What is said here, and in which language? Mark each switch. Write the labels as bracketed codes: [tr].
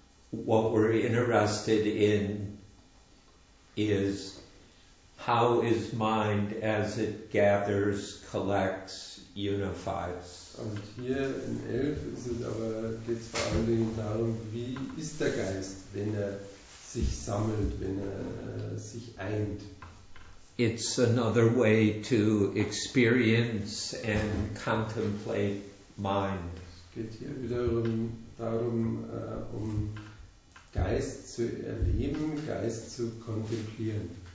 [en] what we're interested in is how is mind as it gathers, collects, unifies. [de] Und hier in 11 ist es aber, geht's vor allen Dingen darum, wie ist der Geist, wenn er sich sammelt, wenn er sich eint. [en] It's another way to experience and contemplate mind. [de] Es geht hier wiederum darum, um Geist zu erleben, Geist zu kontemplieren.